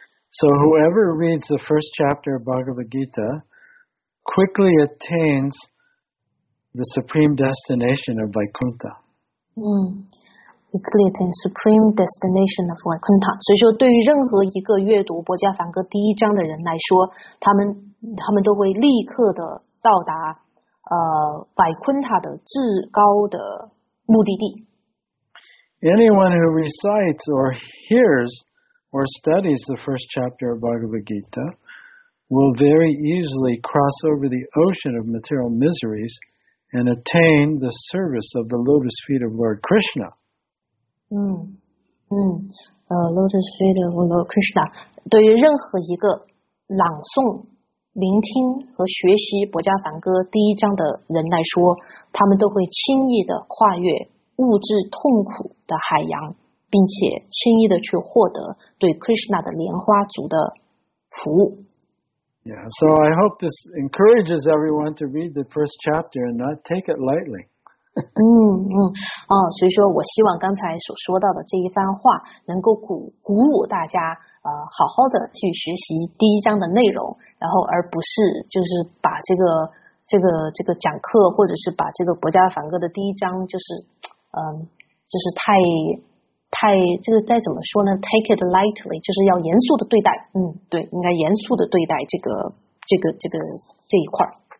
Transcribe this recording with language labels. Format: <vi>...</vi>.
<en>So whoever reads the first chapter of Bhagavad Gita quickly attains the supreme destination of Vaikuntha. Quickly attain supreme destination of Vaikuntha.</en> <zh>所以说对于任何一个阅读《薄伽梵歌》第一章的人来说，他们都会立刻的到达Vaikuntha的至高的目的地。</zh> <en>Anyone who recites or hears or studies the first chapter of Bhagavad Gita will very easily cross over the ocean of material miseries and attain the service of the lotus feet of Lord Krishna. Lotus Feet of Lord Krishna.</en> <zh>对于任何一个朗诵、聆听和学习《薄伽梵歌》第一章的人来说，他们都会轻易的跨越物质痛苦的海洋，并且轻易的去获得对 Krishna 的莲花族的服务。</zh> <en>Yeah, so I hope this encourages everyone to read the first chapter and not take it lightly.</en> <zh>所以说我希望刚才所说到的这一番话能够鼓舞大家好好的去学习第一章的内容，然后而不是就是把这个讲课或者是把这个薄伽梵歌的第一章就是太这个再怎么说呢</zh> <en>take it lightly，</en> <zh>就是要严肃的对待，对，应该严肃的对待这个这一块。</zh>